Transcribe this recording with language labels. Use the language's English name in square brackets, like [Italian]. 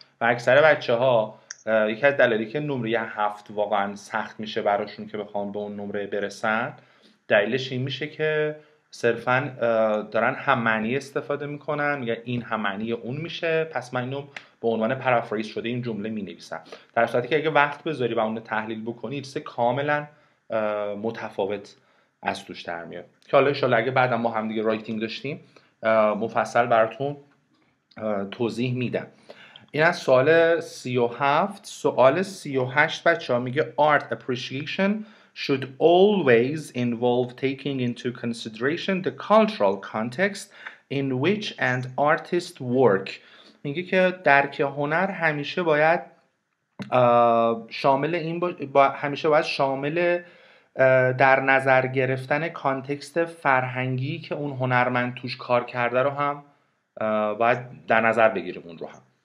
[Persian] و اکثر بچه ها یکی از دلایلی که نمره 7 واقعا سخت میشه براشون که بخوان به اون نمره برسن، دلیلش این میشه که صرفا دارن هم معنی استفاده میکنن، یا این هم معنی اون میشه پس من اینو به عنوان پرافریز شده این جمله مینویسم، در صورتی که اگه وقت بذاری و اون رو تحلیل بکنی چیز کاملا متفاوت از توش در میاد. که حالا انشالله اگه بعدا ما هم دیگه رایتینگ داشتیم مفصل براتون توضیح میدم. این از سوال 37. سوال 38 بچه ها میگه [English] Art appreciation should always involve taking into consideration the cultural context in which an artist work. [Persian] میگه که درک هنر همیشه باید شامل این همیشه باید شامل در نظر گرفتن کانتکست فرهنگی که اون هنرمند توش کار کرده رو هم باید در نظر بگیریم اون رو هم.